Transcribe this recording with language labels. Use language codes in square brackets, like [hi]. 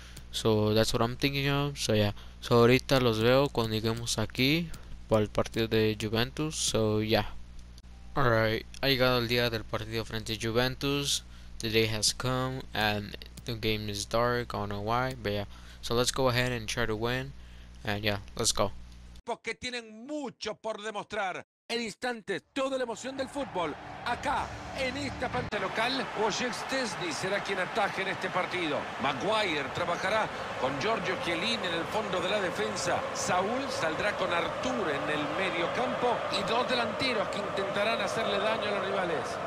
[en] So that's what I'm thinking of. So yeah. So [es] ahorita los veo cuando lleguemos aquí para el partido de Juventus. [en] So yeah. [es] Alright, ha llegado el día del partido frente a Juventus. [en] The day has come and the game is dark. I don't know why, but yeah. So let's go ahead and try to win. And yeah, let's go. [es] Que tienen mucho por demostrar. El instante, toda la emoción del fútbol, acá, en esta pantalla local. Wojciech Szczęsny será quien ataje en este partido. Maguire trabajará con Giorgio Chiellini en el fondo de la defensa. Saúl saldrá con Arthur en el medio campo y dos delanteros que intentarán hacerle daño a los rivales.